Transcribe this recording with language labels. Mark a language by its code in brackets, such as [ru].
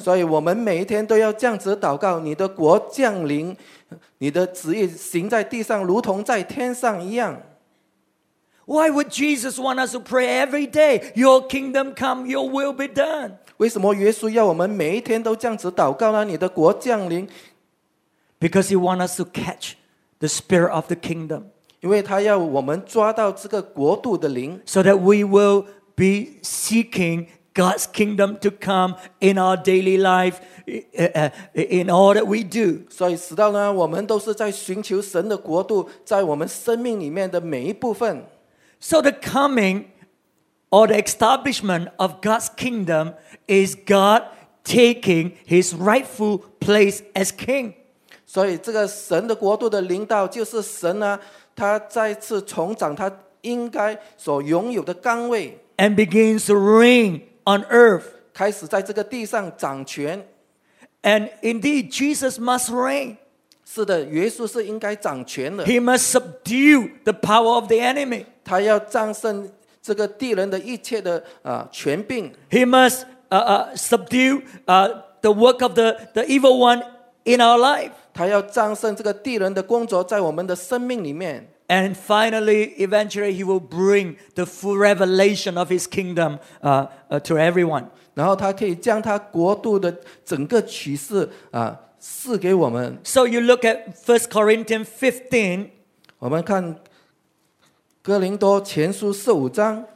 [zh] 所以我们每一天都要这样子祷告，你的国降临，你的旨意行在地上，如同在天上一样。 [en] Why would Jesus want us to pray every day? Your kingdom come, your will be done. [zh] 为什么耶稣要我们每一天都这样子祷告呢？你的国降临。 [en] Because he wants us to catch the spirit of the kingdom. [zh] 因为他要我们抓到这个国度的灵。 [en] So that we will be seeking God's kingdom to come in our daily life, in all that we do. [zh] 所以直到呢，我们都是在寻求神的国度，在我们生命里面的每一部分。 [en] So the coming or the establishment of God's kingdom is God taking his rightful place as king. [zh] 所以这个神的国度的领导就是神呢，他再次重掌他应该所拥有的岗位。 [en] And begins to reign on earth. [zh] 开始在这个地上掌权。 [en] And indeed, Jesus must reign. [zh] 是的，耶稣是应该掌权的。 [en] He must subdue the power of the enemy. [zh] 他要战胜这个敌人的一切的权柄。 [en] He must the work of the evil one in our life. [zh] 他要战胜这个敌人的工作在我们的生命里面。 [en] And finally, eventually, he will bring the full revelation of his kingdom to everyone. [zh] 然后他可以将他国度的整个启示赐给我们。 [en] So you look at 1 Corinthians 15. [zh] 我们看哥林多前书十五章。